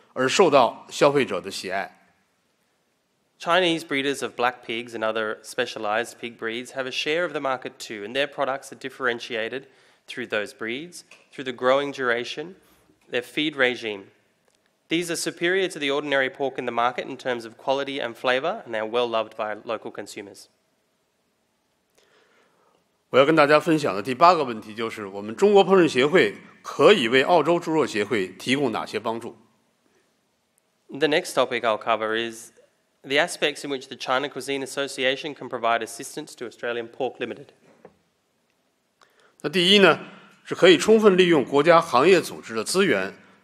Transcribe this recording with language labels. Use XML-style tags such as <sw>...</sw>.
<zh>中国的部分养猪肉养殖者的黑毛猪等特色品种猪肉也在食材上有一定份额。这些猪肉食材由于品种不同、养殖周期长、饲料成分不同，而在品质和口味上优于市场上的普通猪肉，而受到消费者的喜爱。</zh> <en>Chinese breeders of black pigs and other specialized pig breeds have a share of the market too, and their products are differentiated through those breeds, through the growing duration, their feed regime. These are superior to the ordinary pork in the market in terms of quality and flavor, and they are well loved by local consumers.</en> <zh>我要跟大家分享的第八个问题就是，我们中国烹饪协会可以为澳洲猪肉协会提供哪些帮助？</zh> <en>The next topic I'll cover is the aspects in which the China Cuisine Association can provide assistance to Australian Pork Limited.</en> <zh>那第一呢，是可以充分利用国家行业组织的资源。</zh>